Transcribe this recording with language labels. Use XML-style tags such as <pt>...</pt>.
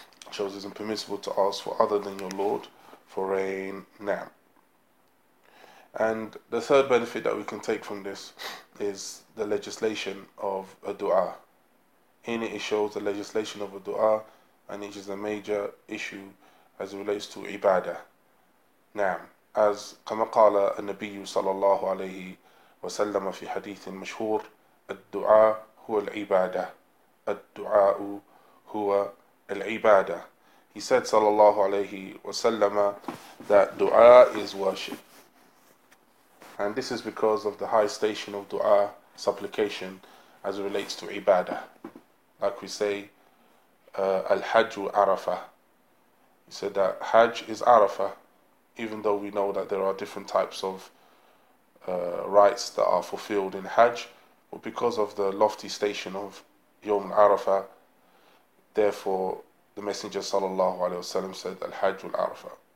<en>Shows it's impermissible to ask for other than your Lord for rain. Now, and the third benefit that we can take from this is the legislation of a dua. In it, it shows the legislation of a dua, and it is a major issue as it relates to ibadah. Now, as</en> <ar>كما قال النبي صلى الله عليه وسلم في حديث مشهور, الدعاء هو العبادة, الدعاء هو العبادة.</ar> <en>He said</en> <ar>صلى الله عليه وسلم</ar> <en>that dua is worship. And this is because of the high station of dua, supplication, as it relates to ibadah. Like we say, al-hajju arafah. He said that hajj is arafah, even though we know that there are different types of rites that are fulfilled in hajj, but because of the lofty station of yawm al-arafah, therefore the Messenger sallallahu alayhi wasallam said al-hajj al-arafah.</en>